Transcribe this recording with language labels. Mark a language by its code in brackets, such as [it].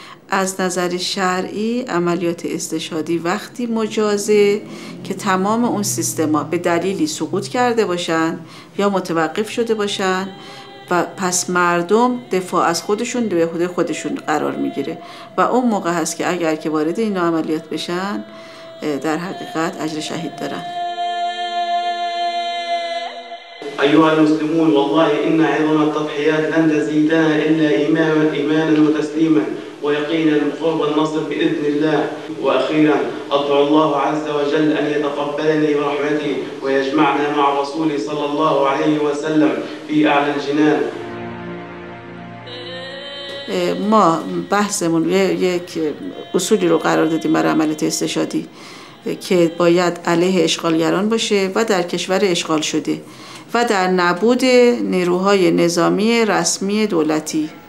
[fa] از نظر شرعی عملیات استشهادی وقتی مجازه که تمام اون سیستما به دلیلی سقوط کرده باشن یا متوقف شده باشن و پس مردم دفاع از خودشون به خود خودشون قرار میگیره و اون موقع هست که اگر که وارد این عملیات بشن در حقیقت اجر شهید دارن. [ar] ایها المسلمون والله ان عظم التضحيات لن تزيدها الا ايمانا وتسليما ويقينا القرب والنصر بإذن الله. وأخيرا أطلع الله عز وجل أن يتقبلني برحمته ويجمعنا مع رسوله صلى الله عليه وسلم في أعلى الجنان. [fa] ما بحثمون یک اصولی رو قرار دادیم برای عملیات استشهادی که باید علیه اشغالگران باشه و در کشور اشغال شده و در نبود نیروهای نظامی رسمی دولتی.